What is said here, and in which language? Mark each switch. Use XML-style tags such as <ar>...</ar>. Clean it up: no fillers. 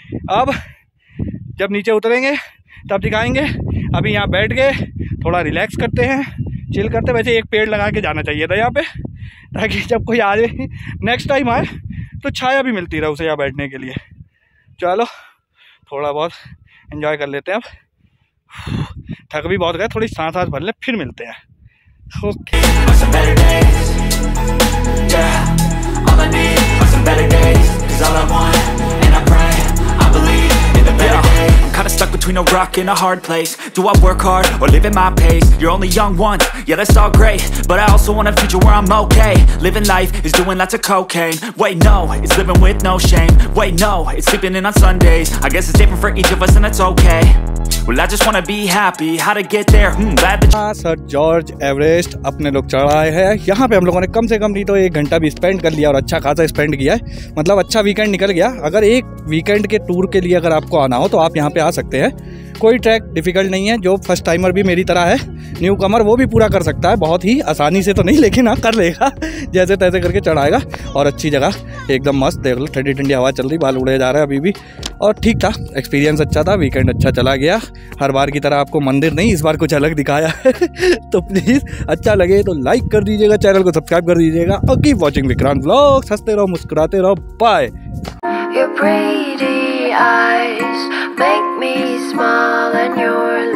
<hi>अब जब नीचे उतरेंगे तब दिखाएंगे, अभी यहाँ बैठ गए थोड़ा रिलैक्स करते हैं, चिल करते हैं। वैसे एक पेड़ लगा के जाना चाहिए था यहाँ पे, ताकि जब कोई आ जाए नेक्स्ट टाइम आए तो छाया भी मिलती रहे उसे यहाँ बैठने के लिए। चलो थोड़ा बहुत एंजॉय कर लेते हैं, अब थक भी बहुत गए, थोड़ी सांस सांस भर ले फिर मिलते हैं।</hi> <en>okay kind of stuck between a rock and a hard place, do I work hard or live at my pace, you're only young once, yeah that's all great, but I also want a future where I'm okay, living life is doing lots of cocaine, wait no, it's living with no shame, wait no, it's sleeping in on Sundays, I guess it's different for each of us and it's okay, well I just want to be happy, how to get there, glad that you...</en> <hi>Sir George Everest, apne log chadhaaye hai, yahan pe hum logon ne kam se kam nahi to ek ghanta bhi spend kar liya aur acha khasa spend kiya hai, matlab acha weekend nikal gaya, agar ek weekend ke tour ke liye agar aapko aana ho to aap yahan आ सकते हैं, कोई track difficult नहीं है, जो first timer भी मेरी तरह है न्यू कमर वो भी पूरा कर सकता है, बहुत ही आसानी से तो नहीं लेकिन हाँ कर लेगा, जैसे तैसे करके चढ़ाएगा। और अच्छी जगह एकदम मस्त, देख लो ठंडी ठंडी हवा चल रही, बाल उड़े जा रहे हैं अभी भी, और ठीक था एक्सपीरियंस, अच्छा था वीकेंड, अच्छा चला गया, हर बार की तरह आपको मंदिर नहीं इस बार कुछ अलग दिखाया है। तो प्लीज़ अच्छा लगे तो लाइक कर दीजिएगा, चैनल को सब्सक्राइब कर दीजिएगा, और कीप वॉचिंग विक्रांत व्लॉग्स, हंसते रहो मुस्कुराते रहो, bye.</hi> <en>Your pretty eyes make me smile and you're</en>